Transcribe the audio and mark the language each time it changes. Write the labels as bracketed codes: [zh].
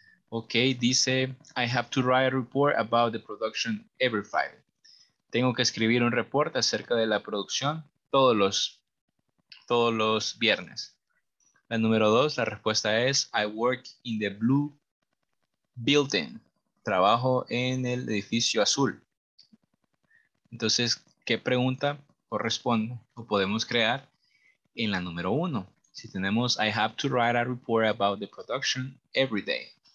[en] Okay, dice, I have to write a report about the production every Friday. [es] Tengo que escribir un reporte acerca de la producción todos los viernes. La número 2, la respuesta es, [en] I work in the blue building. [es] Trabajo en el edificio azul. Entonces, ¿qué pregunta corresponde o podemos crear en la número 1? Si tenemos, [en] I have to write a report about the production every day.